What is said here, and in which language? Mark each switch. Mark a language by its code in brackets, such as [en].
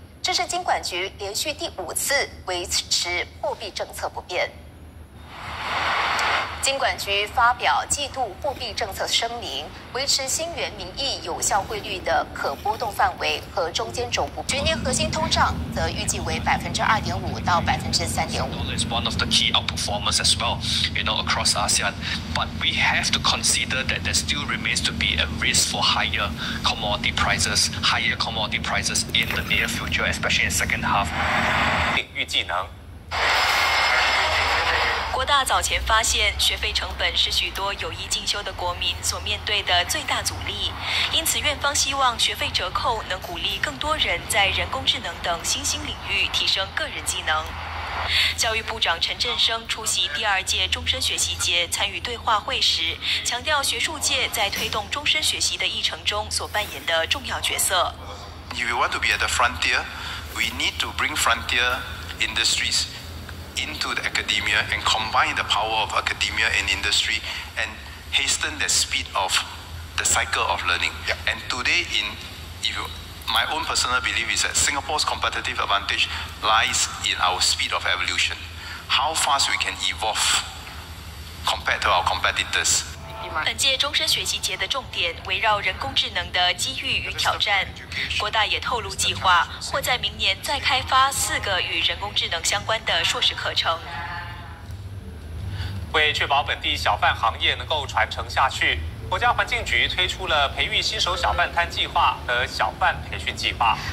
[zh] 这是金管局连续第五次维持货币政策不变。金管局发表季度货币政策声明，维持新元名义有效汇率的可波动范围和中间轴不变。全年核心通胀则预计为2.5%-3.5%。 [en] Dollar is one of the key outperformers as well, you know, across ASEAN. But we have to consider that there still remains to be a risk for higher commodity prices, in the near future, especially in the second half. [zh] 预计能。国大早前发现，学费成本是许多有意进修的国民所面对的最大阻力，因此院方希望学费折扣能鼓励更多人在人工智能等新兴领域提升个人技能。教育部长陈振声出席第二届终身学习节参与对话会时，强调学术界在推动终身学习的议程中所扮演的重要角色。 [en] If we want to be at the frontier, we need to bring frontier industries. Into the academia and combine the power of academia and industry and hasten the speed of the cycle of learning. Yeah. And today, my own personal belief is that Singapore's competitive advantage lies in our speed of evolution. How fast we can evolve compared to our competitors. [zh] 本届终身学习节的重点围绕人工智能的机遇与挑战，国大也透露计划或在明年再开发4个与人工智能相关的硕士课程。为确保本地小贩行业能够传承下去，国家环境局推出了培育新手小贩摊计划和小贩培训计划。